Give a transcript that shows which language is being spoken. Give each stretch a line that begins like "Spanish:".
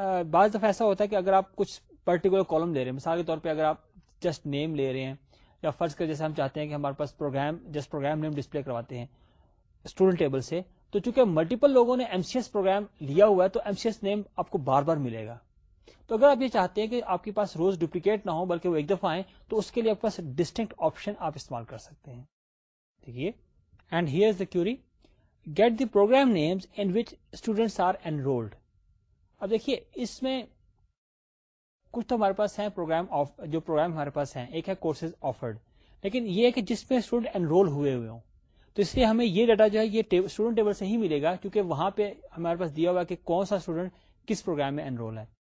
Urdu: بعض دفعہ ایسا ہوتا ہے کہ اگر آپ کچھ پرٹیکولر کالم لے رہے ہیں, مثال کے طور پہ اگر آپ جسٹ نیم لے رہے ہیں, یا فرض کر جیسے ہم چاہتے ہیں کہ ہمارے پاس programme just program name display کرواتے ہیں اسٹوڈنٹ ٹیبل سے, تو چونکہ ملٹیپل لوگوں نے ایم سی ایس پروگرام لیا ہوا ہے تو ایم سی ایس نیم آپ کو بار بار ملے گا. تو اگر آپ یہ چاہتے ہیں کہ آپ کے پاس روز ڈپلیکیٹ نہ ہو بلکہ وہ ایک دفعہ آئیں, تو اس کے لیے آپ کے پاس ڈسٹنکٹ آپشن آپ استعمال کر سکتے ہیں.
English: دیکھیے, and here is the query, get the programme names in which students are enrolled.
Urdu: اب دیکھیے اس میں کچھ تو ہمارے پاس ہیں پروگرام آف, جو پروگرام ہمارے پاس ہیں, ایک ہے کورسز آفرڈ, لیکن یہ ہے کہ جس میں اسٹوڈنٹ انرول ہوئے ہوئے ہوں, تو اس لیے ہمیں یہ ڈیٹا جو ہے یہ اسٹوڈنٹ ٹیبل سے ہی ملے گا, کیونکہ وہاں پہ ہمارے پاس دیا ہوا کہ کون سا اسٹوڈنٹ کس پروگرام میں انرول ہے.